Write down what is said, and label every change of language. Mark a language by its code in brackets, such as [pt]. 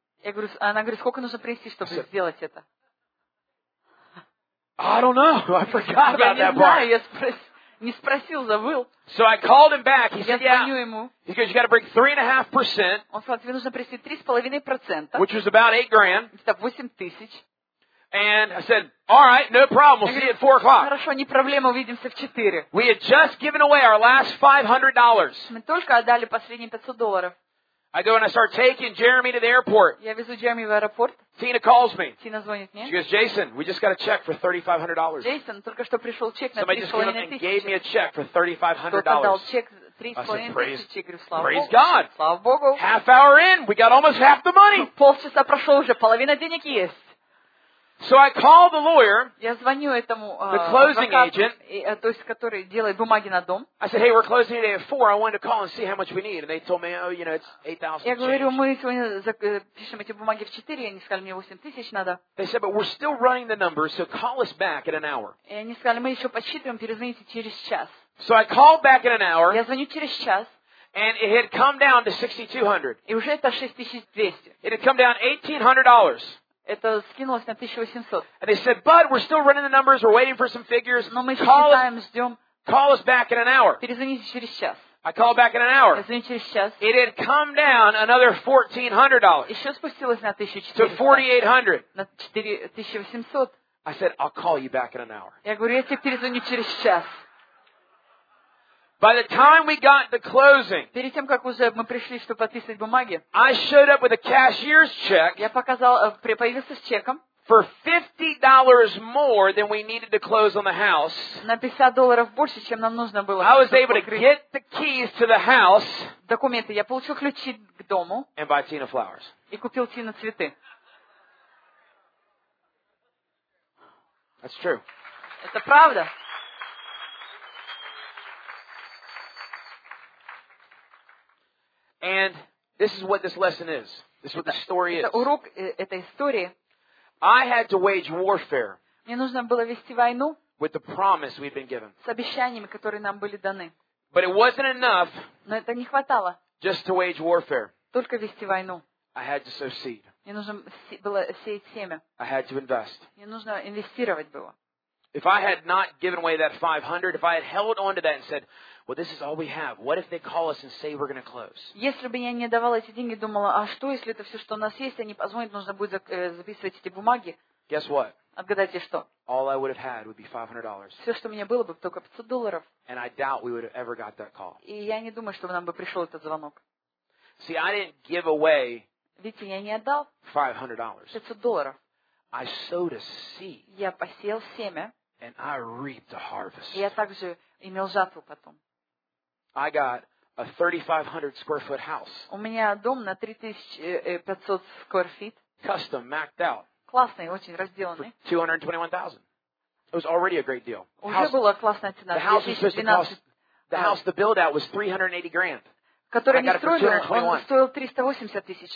[ru] Я говорю, она говорит, сколько нужно принести, чтобы сделать это? [en] I don't know. I forgot about that [ru] знаю, [en] part. [ru] Я не спросил, забыл. [en] So I called him back. He [ru] я [en] said, "Yeah." [ru] Я звоню ему. [en] He goes, "You got to bring 3.5%." [ru] Он сказал, тебе нужно принести 3.5%. [en] Which was about $8,000. [ru] Это 8,000. [en] And I said, "All right, no problem. We'll see you at 4:00." [ru] Хорошо, не проблема, увидимся в 4. [en] We had just given away our last $500. [ru] Мы только отдали последние $500. [en] I go and I start taking Jeremy to the airport. [ru] Я везу Джереми в аэропорт. [en] Tina calls me. [ru] Тина звонит мне. [en] She goes, "Jason, we just got a check for $3,500." [ru] Джейсон, только что пришел чек на $3,500. [en] Somebody just came up and gave me a check for $3,500. Praise God. [ru] Слава Богу. [en] Half hour in, we got almost half the money. [ru] Полчаса прошло уже, половина денег есть. [en] So I call the lawyer, [ru] я звоню этому [en] the closing agent, [ru] то есть, который делает бумаги на дом. [en] I said, "Hey, we're closing today at 4. I wanted to call and see how much we need." And they told me, "Oh, you know, it's 8,000." [ru] Я говорю, мы сегодня пишем эти бумаги в 4, они сказали, мне 8,000 надо. [en] They said, "But we're still running the numbers, so call us back in an hour." [ru] И они сказали, мы еще подсчитываем, перезвоните через час. [en] So I called back in an hour. [ru] Я звоню через час. [en] And it had come down to 6,200. [ru] И уже это 6,200. [en] It had come down $1,800. [ru] Это скинулось на 1,800. [en] And they said, "But we're still running the numbers. We're waiting for some figures. [ru] Но мы считаем, ждем. [en] Call us back in an hour." [ru] Перезвоните через час. [en] I called back in an hour. [ru] Я звоню через час. [en] It had come down another $1,400. [ru] Еще спустилось на 1,400. [en] To 4,800. [ru] На 4,800. [en] I said, "I'll call you back in an hour." [ru] Я говорю, я тебе перезвоню через час. [en] By the time we got the closing, [ru] перед тем как уже мы пришли, чтобы подписывать бумаги, [en] I showed up with a cashier's check. [ru] Я показал, появился с чеком. [en] For $50 more than we needed to close on the house. [ru] На $50 больше, чем нам нужно было. [en] I was able to get the keys to the house. [ru] Документы, я получил ключи к дому. [en] And buy Tina flowers. [ru] И купил Тине цветы. [en] That's true. [ru] Это правда. [en] And this is what this lesson is. This is what the story is. [ru] Это урок этой истории. [en] I had to wage warfare. [ru] Мне нужно было вести войну. [en] With the promise we've been given. [ru] С обещаниями, которые нам были даны. [en] But it wasn't enough. [ru] Но это не хватало. [en] Just to wage warfare. [ru] Только вести войну. [en] I had to sow seed. [ru] Мне нужно было сеять семя. [en] I had to invest. [ru] Мне нужно инвестировать было. [en] If I had not given away that 500, if I had held on to that and said, "Well, this is all we have. What if they call us and say we're going to close?" [ru] Если бы я не давала эти деньги, думала, а что, если это все, что у нас есть, они позвонят, нужно будет записывать эти бумаги? [en] Guess what? [ru] Отгадайте, что? [en] All I would have had would be $500. [ru] Все, что у меня было бы, только $500. [en] And I doubt we would have ever got that call. [ru] И я не думаю, чтобы нам бы пришел этот звонок. [en] See, I didn't give away [ru] Видите, я не отдал [en] $500. [ru] $500. [en] I sowed a seed. [ru] Я посеял семя. [en] And I reaped a harvest. [ru] Я также имел жатву потом. [en] I got a 3,500 square foot house. [ru] У меня дом на 3,500 [en] square feet. Custom, macked out. [ru] Классный, очень разделанный. [en] For 221,000. It was already a great deal. [ru] Уже house, была классная цена. [en] The house was supposed to cost. The house, the build out was 380 grand. [ru] Который они строили, он стоил 380 тысяч.